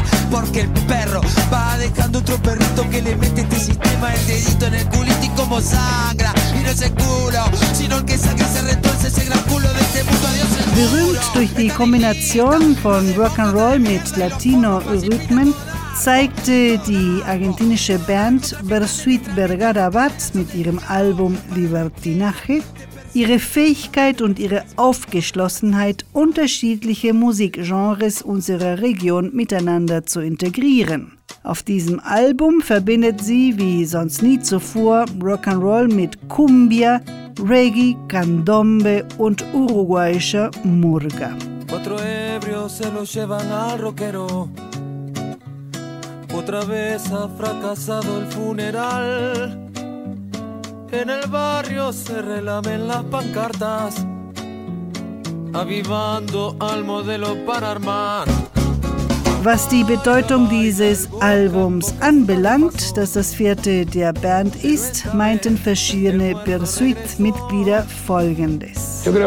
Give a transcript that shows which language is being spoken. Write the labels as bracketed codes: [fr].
[es] Porque el perro va dejando otro perrito que le mete este sistema el dedito en el culito y como sangra y no es el culo sino el que sangra se retuerce ese gran culo de este puto adiós el culo. [de] Berühmt durch die Kombination von Rock'n'Roll mit Latino-Rhythmen zeigte die argentinische Band Bersuit Vergara Bat mit ihrem Album Libertinaje ihre Fähigkeit und ihre Aufgeschlossenheit, unterschiedliche Musikgenres unserer Region miteinander zu integrieren. Auf diesem Album verbindet sie, wie sonst nie zuvor, Rock'n'Roll mit Cumbia, Reggae, Candombe und uruguayischer Murga. [es] Cuatro ebrios se lo llevan al rockero. Otra vez ha fracasado el funeral. En el barrio se relamen las pancartas, avivando al modelo para armar. [de] Was die Bedeutung dieses Albums anbelangt, dass das vierte der Band ist, meinten verschiedene Bersuit-Mitglieder Folgendes.